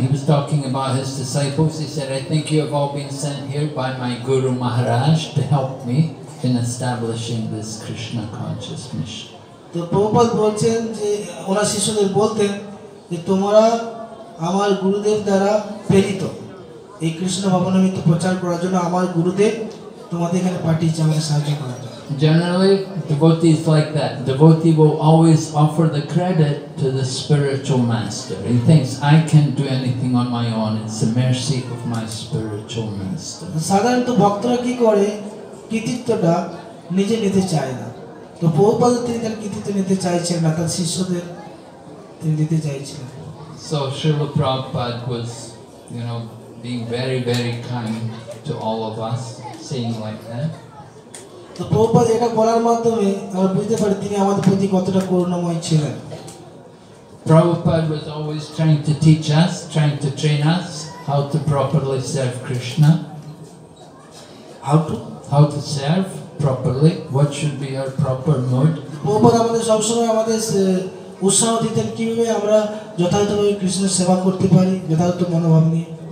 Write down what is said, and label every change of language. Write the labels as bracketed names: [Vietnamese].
[English] He was talking about his disciples. He said, I think you have all been sent here by my Guru Maharaj to help me in establishing this Krishna conscious mission. [Bangla] তো প্রভুপাদ বলছেন যে ওনার শিষ্যদের বলতেন যে তোমরা আমার গুরুদেব দ্বারা প্রেরিত এই কৃষ্ণ ভবনমিত্র প্রচার করার জন্য আমার গুরুদেব তোমাদের এখানে পাঠিয়েছে আমাকে সাহায্য করার জন্য [English] Generally, devotee is like that. Devotee will always offer the credit to the spiritual master. He thinks, I can't do anything on my own. It's the mercy of my spiritual master. [Bangla] সাধারণত ভক্তরা কি করে কৃতিত্বটা নিজে নিতে চায় না তো প্রভুপাদ তিনি তার কৃতিত্ব নিতে চাইছেন না তার শিষ্যদের তিনি দিতে চাইছেন [English] So Srila Prabhupada was, you know, being very, very kind to all of us, saying like that. [Bangla] তো প্রভুপাদ এটা বলার মাধ্যমে আমরা বুঝতে পারি তিনি আমাদের প্রতি কতটা করুণাময় ছিলেন [English] Prabhupada was always trying to teach us, trying to train us how to properly serve Krishna. How to serve properly, what should be our proper mood. [Bangla] Prabhupada আমাদের সবসময় আমাদের উৎসাহ দিতেন কিভাবে আমরা যথাযথভাবে কৃষ্ণের সেবা করতে পারি যথাযথ মনোভাব নিয়ে